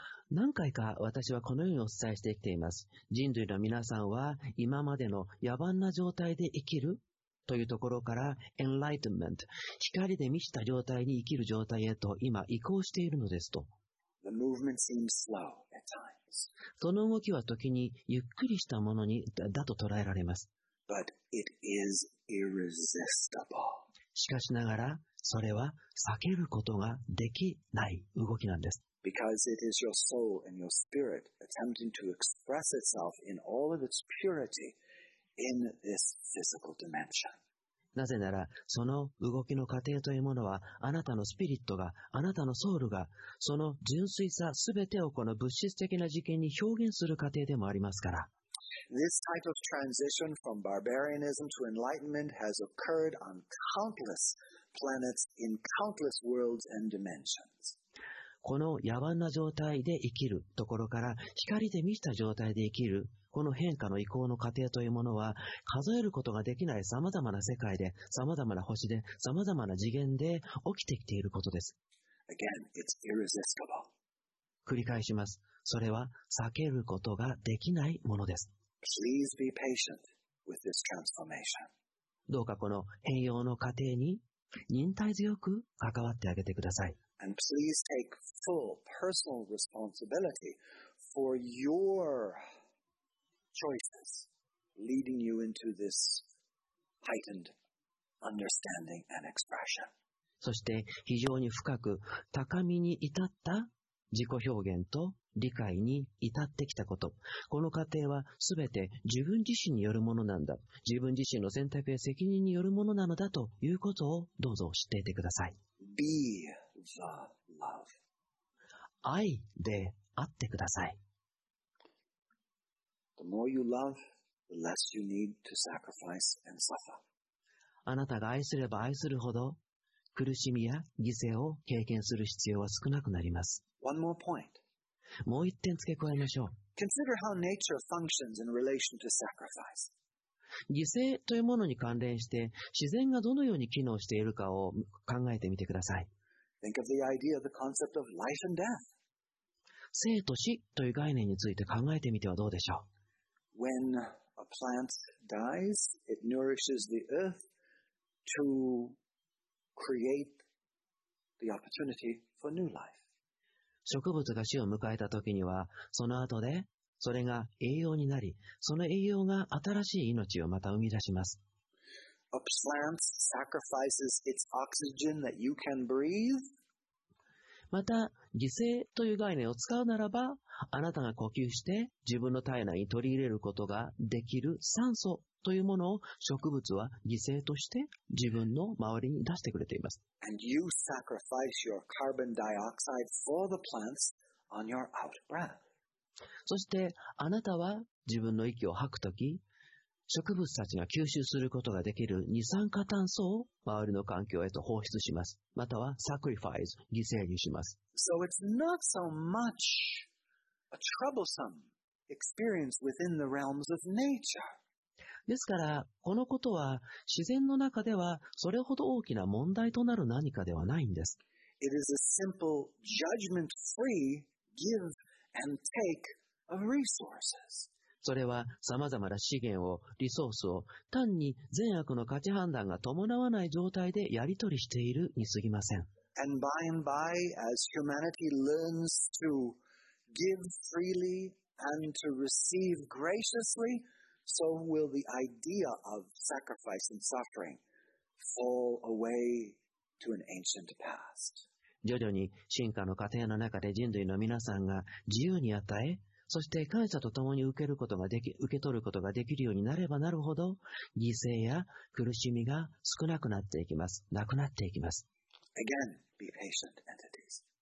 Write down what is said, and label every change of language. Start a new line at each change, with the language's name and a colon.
Japanese: 何回か私はこのようにお伝えしてきています。人類の皆さんは今までの野蛮な状態で生きるというところから enlightenment、光で満ちた状態に生きる状態へと今移行しているのですと。
English: The movement seems slow at times.
Japanese: その動きは時にゆっくりしたものに だと捉えられます。
English: But it is irresistible.
Japanese: しかしながら、それは避けることができない動きなんです。
English: Because it is your soul and your spirit attempting to express itself in all of its purity in this physical dimension.
Japanese: なぜなら、その動きの過程というものは、あなたのスピリットが、あなたのソウルが、その純粋さすべてをこの物質的な次元に表現する過程でもありますから。
English: This type of transition from barbarianism to enlightenment has occurred on countless planets in countless worlds and dimensions.
Japanese: この野蛮な状態で生きるところから、光で満ちた状態で生きる、この変化の移行の過程というものは、数えることができない様々な世界で、様々な星で、様々な次元で起きてきていることです。
English: Again, it's irresistible.
Japanese: 繰り返します。それは避けることができないものです。
English: Please be patient with this transformation.
Japanese: どうかこの変容の過程に、忍耐強く関わってあげてください。
English: And please take full personal responsibility for your choices leading you into this heightened understanding and expression.
Japanese: そして非常に深く高みに至った自己表現と理解に至ってきたこと。この過程はすべて自分自身によるものなんだ。自分自身の選択や責任によるものなのだということをどうぞ知っていてください。
English: Be the love.
Japanese: 愛であってください。
English: The more you love, the less you need to sacrifice and suffer.
Japanese: あなたが愛すれば愛するほど、苦しみや犠牲を経験する必要は少なくなります。
English: One more point.
Japanese: もう一点付け加えましょう。
English: Consider how nature functions in relation to sacrifice.
Japanese: 犠牲というものに関連して、自然がどのように機能しているかを考えてみてください。
English: Think of the idea of the concept of life and death.
Japanese: 生と死という概念について考えてみてはどうでしょう。
English: When a plant dies, it nourishes the earth to create the opportunity for new life.
Japanese: 植物が死を迎えた時には、その後でそれが栄養になり、その栄養が新しい命をまた生み出します。
English: A plant sacrifices its oxygen that you can breathe.
Japanese: また、犠牲という概念を使うならば、あなたが呼吸して自分の体内に取り入れることができる酸素というものを植物は犠牲として自分の周りに出してくれています。
English: And you sacrifice your carbon dioxide for the plants on your out breath.
Japanese: そしてあなたは自分の息を吐くとき、植物たちが吸収することができる二酸化炭素を周りの環境へと放出します。または sacrifice 犠牲にします。
English: So it's not so much a troublesome experience within the realms of nature.
Japanese: ですから、このことは自然の中ではそれほど大きな問題となる何かではないんです。
English: It is a simple judgment-free give and take of resources.
Japanese: それは様々な資源を、リソースを単に善悪の価値判断が伴わない状態でやり取りしているにすぎません。
English: And by and by, as humanity learns to give freely and to receive graciously,So will the idea of sacrifice and suffering fall away to an ancient past.
Japanese: 徐々に進化の過程の中で人類の皆さんが自由に与え、そして感謝とともに受け取ることができるようになればなるほど、犠牲や苦しみが少なくなっていきます。なくなっていきます。
English: Again, be patient entities.